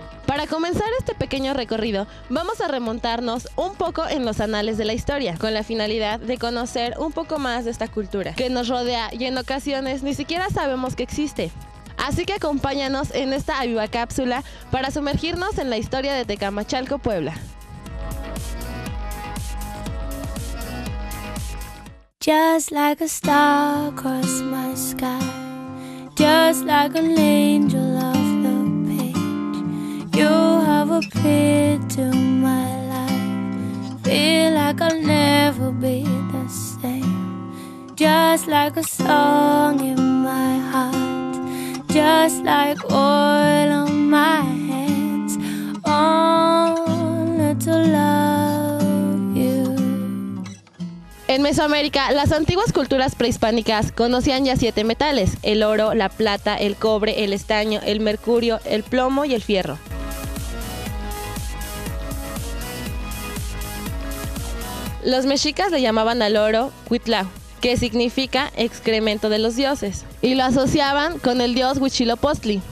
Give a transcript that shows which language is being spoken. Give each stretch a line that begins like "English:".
Spanish: Para comenzar este pequeño recorrido, vamos a remontarnos un poco en los anales de la historia, con la finalidad de conocer un poco más de esta cultura que nos rodea y en ocasiones ni siquiera sabemos que existe. Así que acompáñanos en esta Aviva Cápsula para sumergirnos en la historia de Tecamachalco, Puebla.
English: Just like a star across my sky, just like an angel off the page, you have appeared to my life, feel like I'll never be the same, just like a song in my heart. Just like oil on my hands, only to love you.
Spanish: En Mesoamérica, las antiguas culturas prehispánicas conocían ya 7 metales: el oro, la plata, el cobre, el estaño, el mercurio, el plomo y el fierro. Los mexicas le llamaban al oro Cuitlau, que significa excremento de los dioses, y lo asociaban con el dios Huitzilopochtli.